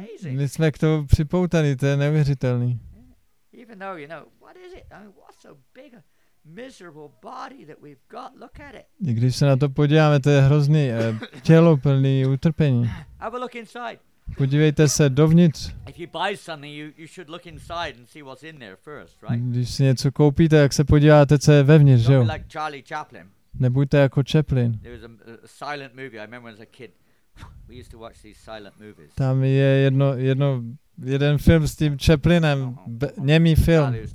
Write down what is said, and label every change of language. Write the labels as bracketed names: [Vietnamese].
[Czech] My jsme k tomu připoutaní, to je neuvěřitelný. [English] Even though, you know, what is it? I mean, what's so big a miserable body that we've got? Look at it. [Czech] Když se na to podíváme, to je hrozný tělo plný utrpení. [English] Have a look inside. [Czech] Podívejte se dovnitř. [English] If you buy something, you should look inside and see what's in there first, right? [Czech] Když si něco koupíte, jak se podíváte, co je vevnitř, že jo? [English] Like Charlie Chaplin. [Czech] Nebuďte jako Chaplin. [English] There was a silent movie. I remember when I was a kid, we used to watch these silent movies. [Czech] Tam je jeden film s tím Chaplinem, němý film.